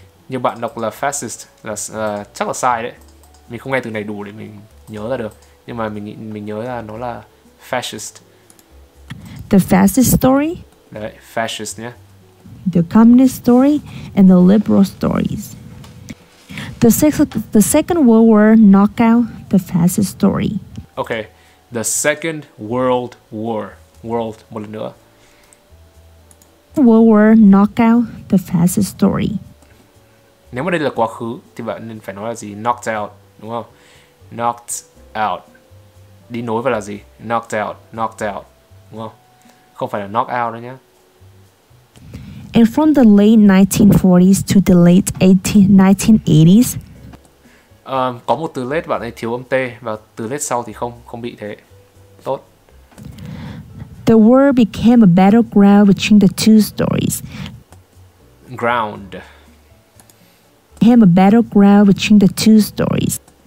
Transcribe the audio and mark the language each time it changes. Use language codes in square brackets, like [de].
[vi] Nhiều bạn đọc là fascist là chắc là sai đấy. Mình không nghe từ này đủ để mình nhớ ra được. Nhưng mà mình nhớ là nó là fascist. [en] The fascist story. [vi] Đấy, fascist nhé. [en] The communist story and the liberal stories. The Second World War knockout, the fascist story. Okay, the Second World War. World, [vi] một lần nữa. [en] World War knockout, the fascist story. [vi] Nếu mà đây là quá khứ thì bạn nên phải nói là gì? [en] Knocked out, [vi] đúng không? Knocked out. Đi nối vào là gì? [en] Knocked out, [vi] đúng không? Không phải là [en] knock out [vi] đâu nhé. [en] And from the late 1940s to the late 1980s. [vi] Có một từ late bạn ấy thiếu âm T và từ late sau thì không bị thế. Tốt. [en] The war became a battleground between the two stories. Ground. Became a battleground between the two stories.